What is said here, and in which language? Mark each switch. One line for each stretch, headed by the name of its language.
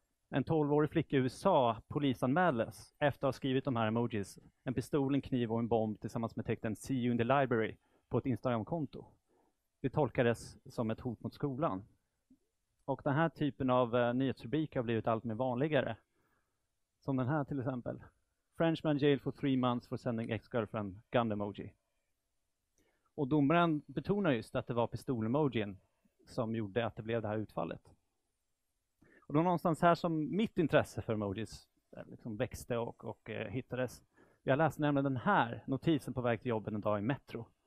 Swedish: En 12-årig flicka i USA polisanmäldes efter att ha skrivit de här emojis. En pistol, en kniv och en bomb tillsammans med tecknen
English: "See you in the library"
Swedish: på ett Instagram-konto. Det tolkades som ett hot mot skolan. Och den här typen av nyhetsrubriker har blivit allt mer vanligare. Som den här till exempel.
English: "Frenchman jailed for 3 months for sending ex-girlfriend gun emoji."
Swedish: Och domaren betonar just att det var pistolemojin som gjorde att det blev det här utfallet. Och då någonstans här som mitt intresse för emojis liksom växte och hittades. Jag läste nämligen den här notisen på väg till jobbet en dag i Metro.